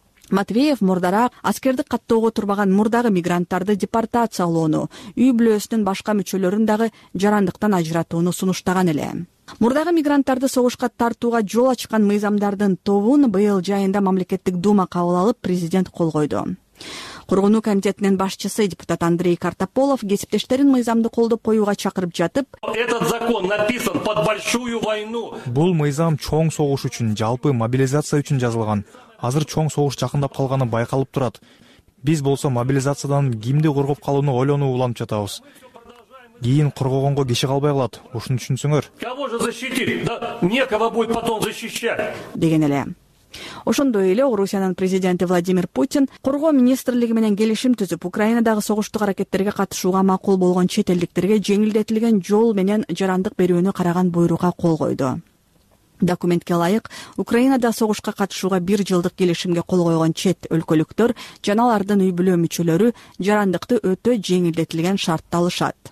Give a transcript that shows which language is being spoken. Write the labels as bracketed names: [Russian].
[Kyrgyz] Матвеев мурдараак аскердик каттоого турбаган мурдагы мигранттарды депортациялоону, үй бүлөсүнүн башка мүчөлөрүн дагы жарандыктан ажыратууну сунуштаган эле. Мурдагы мигранттарды согушка тартууга жол ачкан мыйзамдардын тобун быйыл жайында мамлекеттик дума кабыл алып, президент кол койду. Коргонуу комитетинин башчысы депутат Андрей Картополов кесиптештерин мыйзамды колдоп коюуга чакырып жатып, [Russian] этот закон написан под большую войну. [Kyrgyz] Бул мыйзам чоң согуш үчүн, жалпы мобилизация үчүн жазылган. Азыр чоң согуш жакындап калганы байкалып турат. Биз болсо мобилизациядан кимди коргоп калууну ойлонуп уланып жатабыз. Кийин коргогонго киши калбай калат. Ушуну түшүнсөңөр. [Russian] Кого же защитить? Да некого будет потом защищать. [Kyrgyz] Деген эле. Ошондой эле Орусиянын президенти Владимир Путин коргоо министрлиги менен келишим түзүп, Украинадагы согуштук аракеттерге катышууга макул болгон чет элдиктерге жеңилдетилген жол менен жарандык берүүнү караган буйрукка кол койду. Документке ылайык, Украинада согушка катышууга бир жылдык келишимге кол койгон чет өлкөлүктөр жана алардын үй бүлө мүчөлөрү жарандыкты өтө жеңилдетилген шартта алышат.